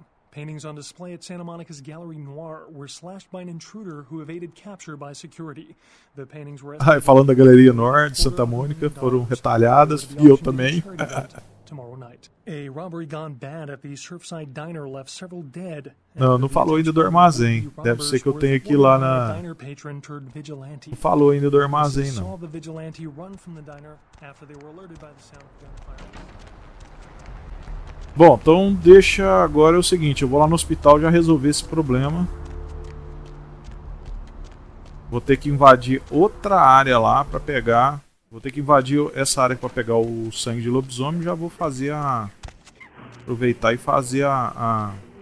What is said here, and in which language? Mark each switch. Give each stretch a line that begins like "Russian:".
English: Paintings on display at Santa Monica's Gallery Noir were slashed by an intruder who evaded capture by security. The paintings were.
Portuguese: Ah, falando da Galeria Noir de Santa Mônica, foram retalhadas, e eu também.
English: Tomorrow night, a robbery gone bad at the Surfside Diner left several dead.
Portuguese: Não falou ainda do armazém. Deve ser que eu tenho aqui lá na. Não falou ainda do armazém, não.
English: Saw the vigilante run from the diner after they were alerted by the sound of gunfire.
Portuguese: Bom, então deixa agora é o seguinte, eu vou lá no hospital já resolver esse problema. Vou ter que invadir outra área lá pra pegar. Vou ter que invadir essa área pra pegar o sangue de lobisomem. Já vou fazer a... Aproveitar e fazer a...